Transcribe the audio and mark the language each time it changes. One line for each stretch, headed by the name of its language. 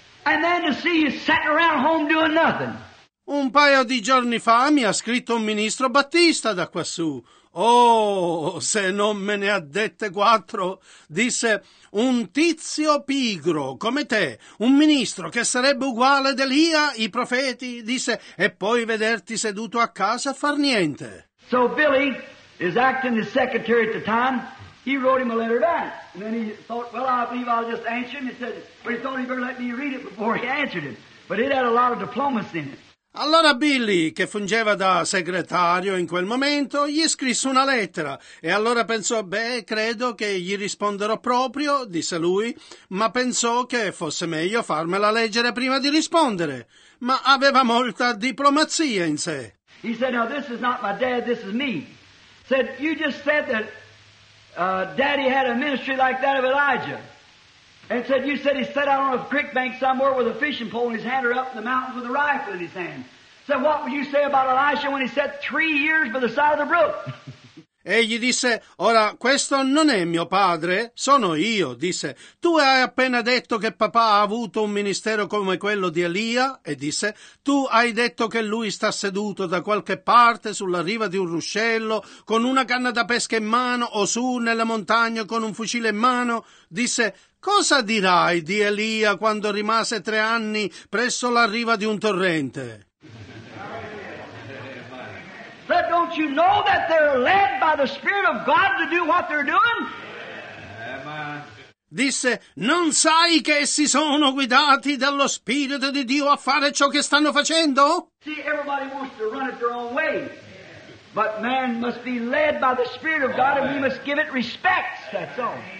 English: And then to see you sitting around home doing nothing.
Italian: Un paio di giorni fa mi ha scritto un ministro battista da quassù. Oh, se non me ne ha dette 4, disse, un tizio pigro come te, un ministro che sarebbe uguale ad Elia, i profeti, disse, e poi vederti seduto a casa a far niente.
English: So Billy is acting as secretary at the time. He wrote him a letter back, and then he thought, well, I believe I'll just answer him. He said, but he thought he better let me read it before he answered it. But it had a lot of diplomacy in it.
Italian: Allora Billy, che fungeva da segretario in quel momento, gli scrisse una lettera e allora pensò, beh, credo che gli risponderò proprio, disse lui, ma pensò che fosse meglio farmela leggere prima di rispondere. Ma aveva molta diplomazia in sé.
English: He said, now this is not my dad, this is me. Said, you just said that daddy had a ministry like that of Elijah. And said, you said he sat out on a creek bank somewhere with a fishing pole in his hand or up in the mountains with a rifle in his hand. Said, what would you say about Elisha when he sat 3 years by the side of the brook?
Italian: E gli disse, ora, questo non è mio padre, sono io, disse. Tu hai appena detto che papà ha avuto un ministero come quello di Elia, e disse, tu hai detto che lui sta seduto da qualche parte sulla riva di un ruscello, con una canna da pesca in mano, o su nella montagna con un fucile in mano, disse, cosa dirai di Elia quando rimase 3 anni presso la riva di un torrente?
English: But don't you know that they're led by the Spirit of God to do what they're doing?
Italian: Disse, non sai che essi sono guidati dallo Spirito di Dio a fare ciò che stanno facendo?
English: See, everybody wants to run it their own way. But man must be led by the Spirit of God and we must give it respect, that's all.